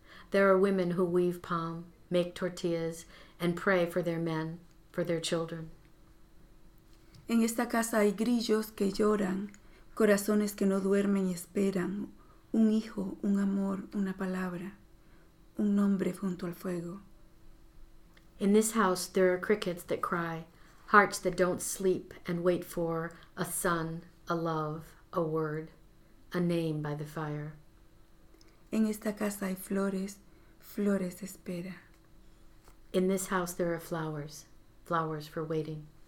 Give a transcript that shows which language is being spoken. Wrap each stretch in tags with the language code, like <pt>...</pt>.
<en>There are women who weave palm, make tortillas, and pray for their men, for their children.</en> <es>En esta casa hay grillos que lloran, corazones que no duermen y esperan, un hijo, un amor, una palabra, un nombre junto al fuego.</es> <en>In this house there are crickets that cry, hearts that don't sleep and wait for a son, a love, a word, a name by the fire.</en> <es>En esta casa hay flores, flores espera.</es> <en>In this house there are flowers, flowers for waiting.</en>